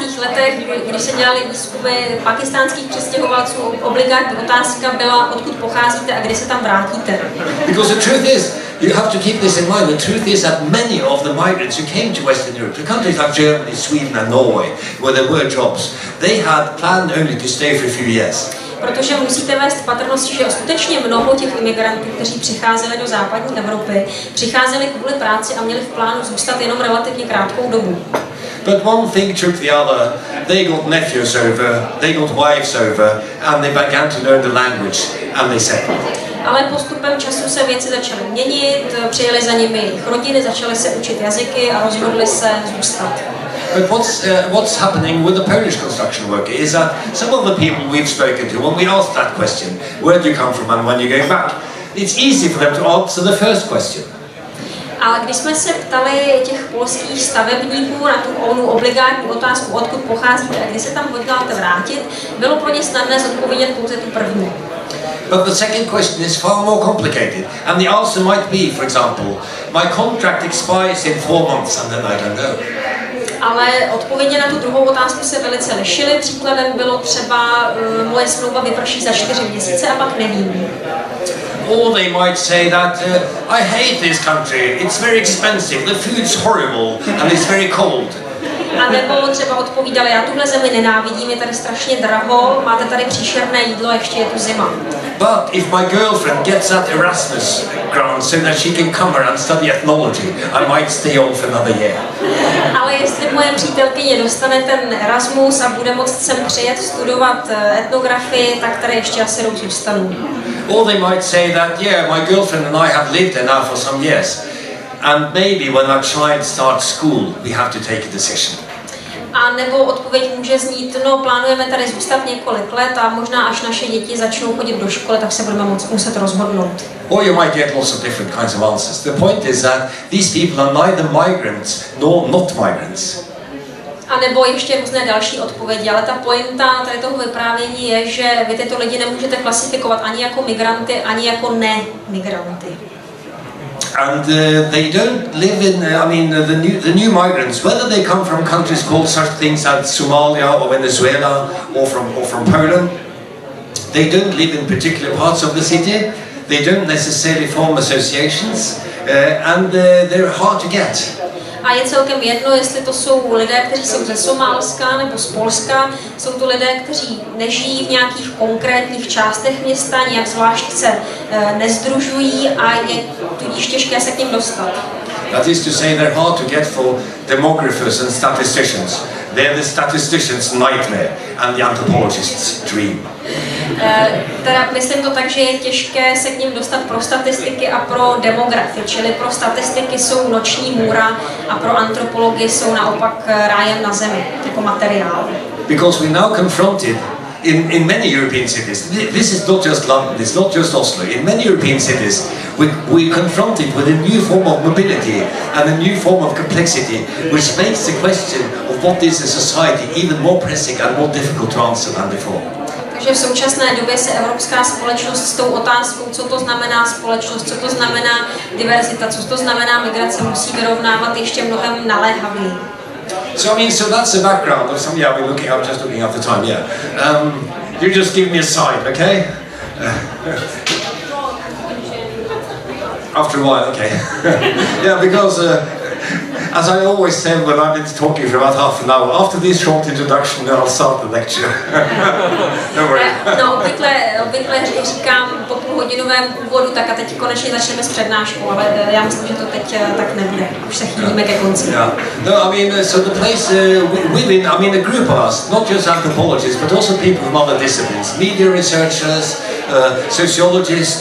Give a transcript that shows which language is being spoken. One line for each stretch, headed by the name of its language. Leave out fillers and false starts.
Czech: letech, když se dělali výzkumy pakistánských přistěhovalců, obligátní otázka byla, odkud pocházíte a kdy se tam vrátíte.
English: Because the truth is, you have to keep this in mind. The truth is that many of the migrants who came to Western Europe, to countries like Germany, Sweden and Norway, where there were jobs, they had planned only to stay for a few years.
Czech: Protože musíte vést patrnost, že skutečně mnoho těch imigrantů, kteří přicházeli do západní Evropy, přicházeli kvůli práci a měli v plánu zůstat jenom relativně krátkou dobu.
English: But one thing took the other. They got nephews over, they got wives over, and they began to learn the language, and they settled.
Czech: Ale postupem času se věci začaly měnit, přijeli za nimi jejich rodiny, začaly se učit jazyky a rozhodli se zůstat.
English: But what's happening with the Polish construction worker is that some of the people we've spoken to, when we ask that question, where do you come from and when are you going back, it's easy for them to answer the first question.
Czech: Ale když jsme se ptali těch polských stavebníků na tu onu obligátní otázku, odkud pocházíte a kdy se tam hodláte vrátit, bylo pro ně snadné zodpovědět pouze tu první.
English: But the second question is far more complicated, and the answer might be, for example, my contract expires in 4 months and then I don't know.
Czech: Ale odpovědi na tu druhou otázku se velice lišily. Příkladem bylo třeba moje smlouva vyprší za 4 měsíce a pak nevím.
English: Or they might say that I hate this country. It's very expensive. The food's horrible and it's very cold.
Czech: A nebo třeba odpovídali, já tuhle zemi nenávidím, je tady strašně draho, máte tady příšerné jídlo, ještě je tu zima.
English: But if my girlfriend gets that Erasmus grant so that she can come around and study ethnology, I might stay on for another year.
Czech: Ale jestli moje přítelkyně dostane ten Erasmus a bude moct sem přijet studovat etnografii, tak tady ještě asi rok zůstanu.
English: Or they might say that, yeah, my girlfriend and I have lived there now for some years. And maybe when our child starts school, we have to take a decision.
Czech: A nebo odpověď může znít, no plánujeme tady zůstat několik let a možná až naše děti začnou chodit do školy, tak se budeme muset rozhodnout.
English: Or you might get lots of different kinds of answers. The point is that these people are neither migrants nor not migrants.
Czech: A nebo ještě různé další odpovědi, ale ta pointa tady toho vyprávění je, že vy tyto lidi nemůžete klasifikovat ani jako migranty, ani jako ne-migranty.
English: And they don't live in, I mean, the new migrants, whether they come from countries called such things as Somalia or Venezuela or from Poland, they don't live in particular parts of the city, they don't necessarily form associations, and they're hard to get.
Czech: A je celkem jedno, jestli to jsou lidé, kteří jsou ze Somálska nebo z Polska, jsou to lidé, kteří nežijí v nějakých konkrétních částech města, nějak zvlášť se nezdružují a je tudíž těžké se k ním dostat.
English: That is to say they're hard to get for demographers and statisticians. They're the statistician's nightmare and the anthropologist's dream.
Czech: Teda myslím to tak, že je těžké se k ním dostat pro statistiky a pro demografy, čili pro statistiky jsou noční můra a pro antropology jsou naopak rájem na zemi, jako materiál.
English: Because we're now confronted in many European cities, this is not just London, it's not just Oslo, in many European cities, we're confronted with a new form of mobility and a new form of complexity, which makes the question of what is a society even more pressing and more difficult to answer than before.
Czech: Že v současné době se evropská společnost s tou otázkou, co to znamená společnost, co to znamená diverzita, co to znamená migrace, musí vyrovnávat ještě mnohem naléhavěji.
English: So I mean, so that's the background. Or some, yeah, we're looking. I'm just looking at the time. Yeah. You just give me a sign, okay? After a while, okay. Yeah, because as I always say when I've been talking for about half an hour, after this short introduction, then I'll start the lecture. No worry.
Czech: No, obvykle říkám po půlhodinovém úvodu, tak a teď konečně začneme s přednáškou, ale já myslím, že to teď tak nebude. Už se chýlíme ke konci.
English: Yeah. No, I mean, so the place within, I mean, a group of us, not just anthropologists, but also people from other disciplines, media researchers, sociologists.